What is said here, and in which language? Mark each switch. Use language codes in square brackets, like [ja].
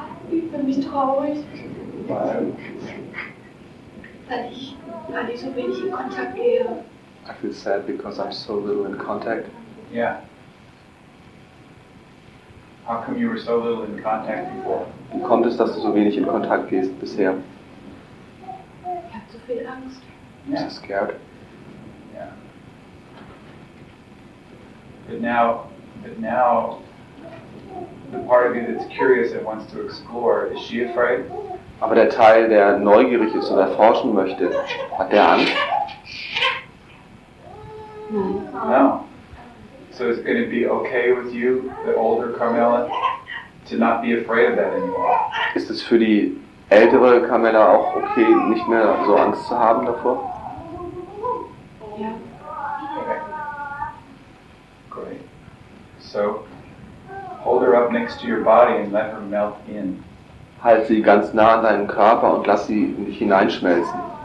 [de] Ich fühle mich traurig. [en] Why? [de] Weil ich so wenig in Kontakt gehe. [en] I feel sad because I'm so little in contact. Yeah. How come you were so little in contact before? [de] Wie kommt es, dass du so wenig in Kontakt gehst bisher? Ich habe so viel Angst. [en] Yeah. So scared. Yeah. But now, the part of you that's curious and wants to explore, is she afraid? [de] Aber der Teil, der neugierig ist und erforschen möchte, hat der Angst? [en] No. So it's going to be okay with you, the older Carmela, to not be afraid of that anymore. [de] Ist es für die ältere Carmela auch okay, nicht mehr so Angst zu haben davor? [en] Okay. Great. So, hold her up next to your body and let her melt in. [de] Halt sie ganz nah an deinem Körper und lass sie in dich hineinschmelzen.